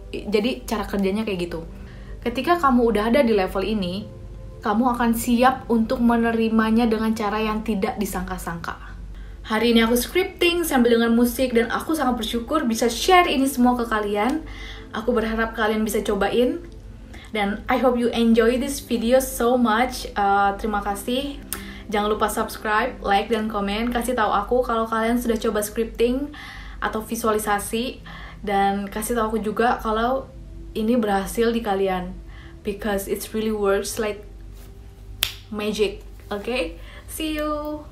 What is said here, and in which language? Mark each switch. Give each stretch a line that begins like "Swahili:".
Indonesian: Jadi cara kerjanya kayak gitu. Ketika kamu udah ada di level ini, kamu akan siap untuk menerimanya dengan cara yang tidak disangka-sangka. Hari ini aku scripting sambil dengan musik dan aku sangat bersyukur bisa share ini semua ke kalian. Aku berharap kalian bisa cobain.
English: Dan I hope you enjoy this video so much.
Indonesian: Terima kasih. Jangan lupa subscribe, like, dan komen. Kasih tahu aku kalau kalian sudah coba scripting atau visualisasi. Dan kasih tahu aku juga kalau ini berhasil di kalian.
English: Because it really works like magic. Okay? See you!